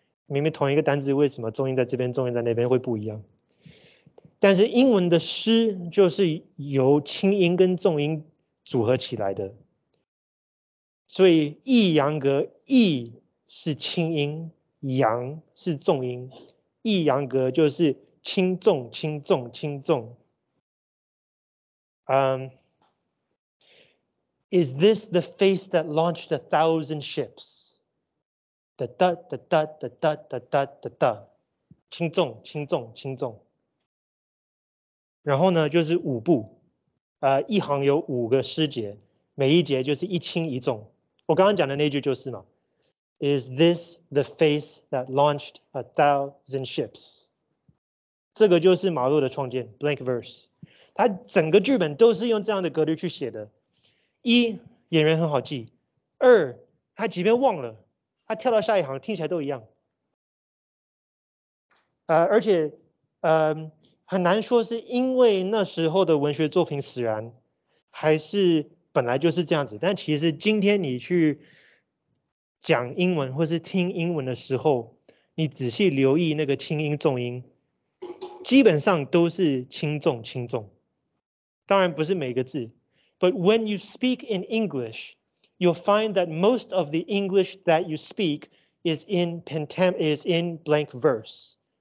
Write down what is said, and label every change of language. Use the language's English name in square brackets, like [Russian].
[Chinese] 明明同一个单字，为什么重音在这边，重音在那边会不一样？但是英文的诗就是由轻音跟重音组合起来的，所以抑扬格，抑是轻音，扬是重音，抑扬格就是轻重，轻重，轻重。 [English] Is this the face that launched a thousand ships? The da da da da da da da da da， [Chinese] 轻重轻重轻重。然后呢，就是五步，一行有五个诗节，每一节就是一轻一重。我刚刚讲的那句就是嘛 ， [English] Is this the face that launched a thousand ships？ [Chinese] 这个就是马洛的创建 ，blank verse。他整个剧本都是用这样的格律去写的，一演员很好记，二他即便忘了，他跳到下一行听起来都一样。而且，很难说是因为那时候的文学作品使然，还是本来就是这样子。但其实今天你去讲英文或是听英文的时候，你仔细留意那个轻音重音，基本上都是轻重轻重。当然不是每个字 [English] ，But when you speak in English, you'll find that most of the English that you speak is in blank verse.